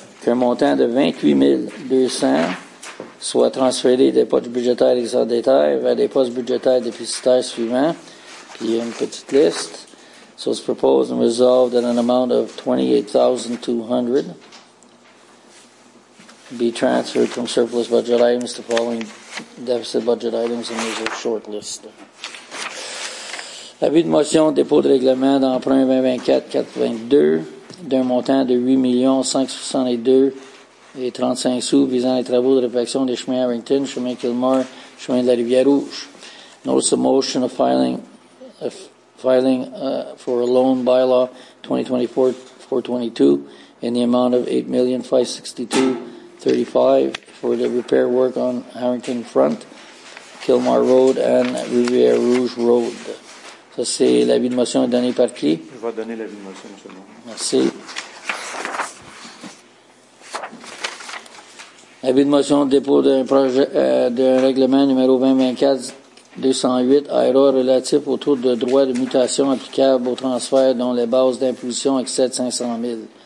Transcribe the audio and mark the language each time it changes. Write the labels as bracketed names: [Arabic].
[French] Qu'un montant de 28 200 soit transféré des postes budgétaires excédentaires vers des postes budgétaires déficitaires suivants. Puis, il y a une petite liste. [English] So, it's proposed and resolved that an amount of $28,200 be transferred from surplus budget items to following deficit budget items, and there's a short list. [French] Avis de motion, dépôt de règlement d'emprunt 2024-422 d'un montant de 8 562 $ 35 visant les travaux de réfection des chemins Harrington, chemin Kilmore, chemin de la Rivière-Rouge. [English] Notice of motion of filing for a loan bylaw 2024-422 in the amount of $8,562.35 for the repair work on Harrington Front, Kilmore Road and Rivière-Rouge Road. [French] Ça, c'est l'avis de motion donné par qui? Je vais donner l'avis de motion, monsieur le maire. Merci. L'avis de motion de dépôt d'un projet d'un règlement numéro 2024-208 ARA relatif au taux de droit de mutation applicable aux transferts dont les bases d'imposition excèdent 500 000.